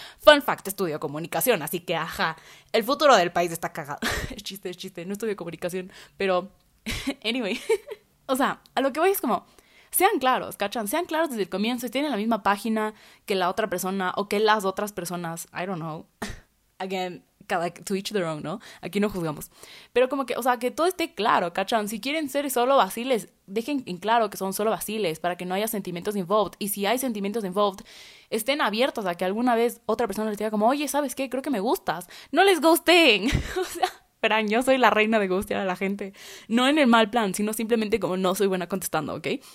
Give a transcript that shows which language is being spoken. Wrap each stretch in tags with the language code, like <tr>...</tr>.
<en>Fun fact,</en> <es>estudio comunicación, así que ajá, el futuro del país está cagado. Es chiste, no estudio comunicación, pero anyway. O sea, a lo que voy es como, sean claros, ¿cachan? Sean claros desde el comienzo, si tienen la misma página que la otra persona o que las otras personas,</es> <en>I don't know. Again, to each their own, ¿no?</en> <es>Aquí no juzgamos. Pero como que, o sea, que todo esté claro, ¿cachan? Si quieren ser solo vaciles, dejen en claro que son solo vaciles para que no haya sentimientos involved. Y si hay sentimientos involved, estén abiertos a que alguna vez otra persona les diga como, oye, ¿sabes qué? Creo que me gustas. ¡No les gusten! O sea, verán, yo soy la reina de ghostear a la gente. No en el mal plan, sino simplemente como no soy buena contestando, ¿ok?</es>